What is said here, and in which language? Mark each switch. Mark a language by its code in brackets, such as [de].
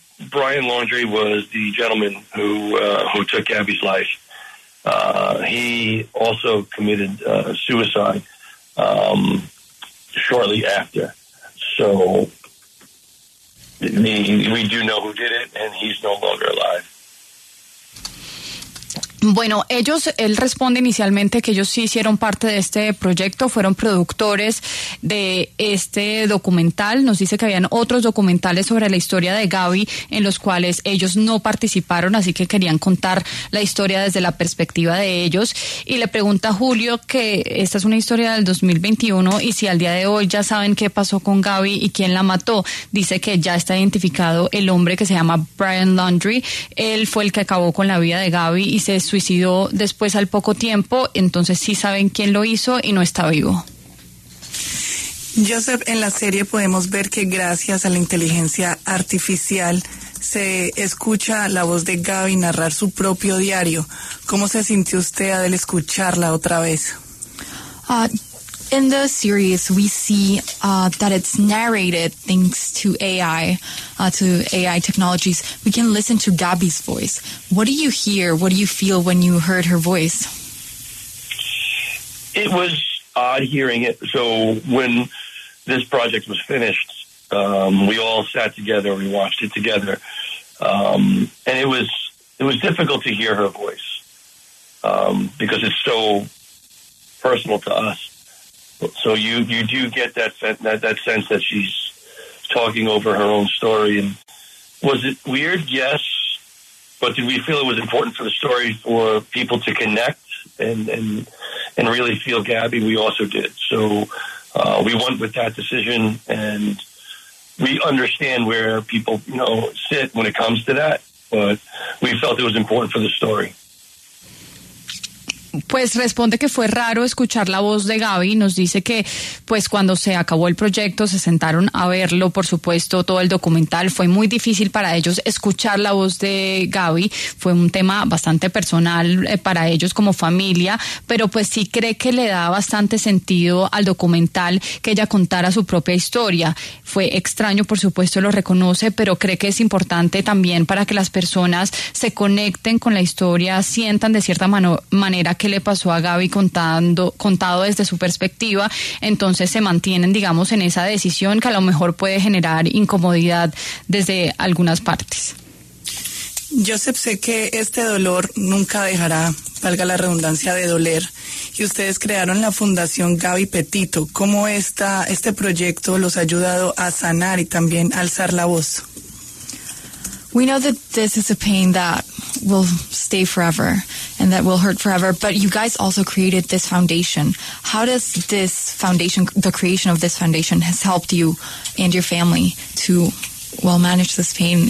[en] Brian Laundry was the gentleman who took Gaby's life. He also committed suicide shortly after. So we do know who did it, and he's no longer alive. [es] Bueno, él responde inicialmente que ellos sí hicieron parte de este proyecto, fueron productores de este documental. Nos dice que habían otros documentales sobre la historia de Gaby en los cuales ellos no participaron, así que querían contar la historia desde la perspectiva de ellos. Y le pregunta a Julio que esta es una historia del 2021 y si al día de hoy ya saben qué pasó con Gaby y quién la mató. Dice que ya está identificado el hombre, que se llama Brian Laundry. Él fue el que acabó con la vida de Gaby y se suicidó después al poco tiempo, entonces sí saben quién lo hizo y no está vivo. Joseph, en la serie podemos ver que gracias a la inteligencia artificial se escucha la voz de Gaby narrar su propio diario. ¿Cómo se sintió usted al escucharla otra vez? [en] In the series, we see that it's narrated thanks to AI, to AI technologies. We can listen to Gaby's voice. What do you hear? What do you feel when you heard her voice? It was odd hearing it. So when this project was finished, we all sat together. We watched it together. And it was difficult to hear her voice because it's so personal to us. So you do get that sense that she's talking over her own story. And was it weird? Yes. But did we feel it was important for the story for people to connect and really feel Gaby? We also did. So we went with that decision, and we understand where people, you know, sit when it comes to that. But we felt it was important for the story. [es] Pues responde que fue raro escuchar la voz de Gaby. Nos dice que pues cuando se acabó el proyecto se sentaron a verlo, por supuesto, todo el documental. Fue muy difícil para ellos escuchar la voz de Gaby. Fue un tema bastante personal para ellos como familia, pero pues sí cree que le da bastante sentido al documental que ella contara su propia historia. Fue extraño, por supuesto, lo reconoce, pero cree que es importante también para que las personas se conecten con la historia, sientan de cierta manera qué le pasó a Gaby contado desde su perspectiva. Entonces se mantienen, digamos, en esa decisión que a lo mejor puede generar incomodidad desde algunas partes. Joseph, sé que este dolor nunca dejará, valga la redundancia, de doler, y ustedes crearon la Fundación Gaby Petito. ¿Cómo este proyecto los ha ayudado a sanar y también a alzar la voz? [en] We know that this is a pain that will stay forever and that will hurt forever, but you guys also created this foundation. How does this foundation, the creation of this foundation, has helped you and your family to, well, manage this pain?